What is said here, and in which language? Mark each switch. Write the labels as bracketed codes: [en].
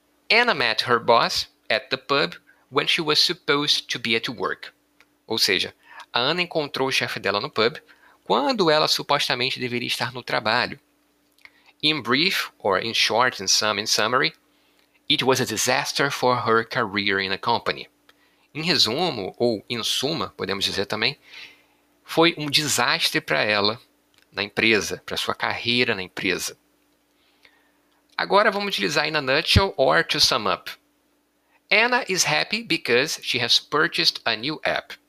[en] Anna met her boss at the pub when she was supposed to be at work. [pt] Ou seja, a Anna encontrou o chefe dela no pub quando ela supostamente deveria estar no trabalho. [en] In brief, or in short, in summary, it was a disaster for her career in a company. [pt] Em resumo, ou em suma, podemos dizer também, foi um desastre para ela na empresa, para sua carreira na empresa. Agora vamos utilizar [en] in a nutshell or to sum up. Anna is happy because she has purchased a new app.